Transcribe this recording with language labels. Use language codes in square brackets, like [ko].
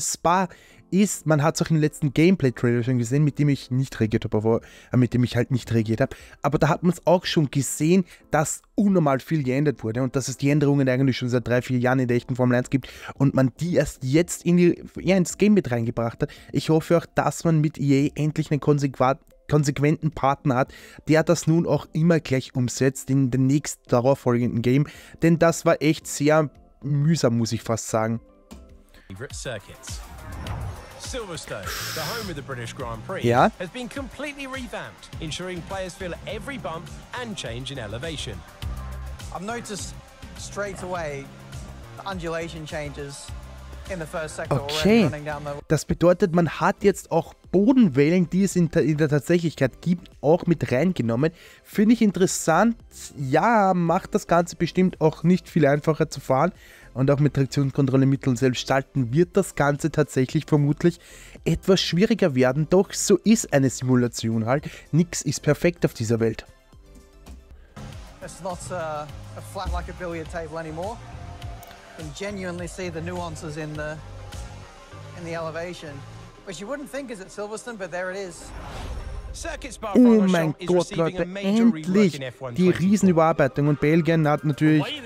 [de] Spa ist, man hat es auch im letzten Gameplay-Trailer schon gesehen, mit dem ich nicht reagiert habe, aber da hat man es auch schon gesehen, dass unnormal viel geändert wurde und dass es die Änderungen eigentlich schon seit 3-4 Jahren in der echten Formel 1 gibt und man die erst jetzt in ins Game mit reingebracht hat. Ich hoffe auch, dass man mit EA endlich einen konsequenten Partner hat, der das nun auch immer gleich umsetzt in den nächst darauf folgenden Game, denn das war echt sehr mühsam, muss ich fast sagen. [en] Silverstone, the home of the British Grand Prix, [de] ja? [en] Has been completely revamped, ensuring players feel every bump and change in elevation. I've noticed straight away the undulation changes in the first sector. Okay. Running down the... [de] Das bedeutet, man hat jetzt auch Bodenwellen, die es in der Tatsächlichkeit gibt, auch mit reingenommen. Finde ich interessant. Ja, macht das Ganze bestimmt auch nicht viel einfacher zu fahren. Und auch mit Traktionskontrolle, Mittel und Selbststalten wird das Ganze tatsächlich vermutlich etwas schwieriger werden. Doch so ist eine Simulation halt. Nichts ist perfekt auf dieser Welt. [en] It's not a flat like a billiard table anymore. You can genuinely see the nuances in the elevation. Which you wouldn't think is at Silverstone, but there it is. [de] Oh mein Gott, Leute, endlich die Riesenüberarbeitung und Belgien hat natürlich...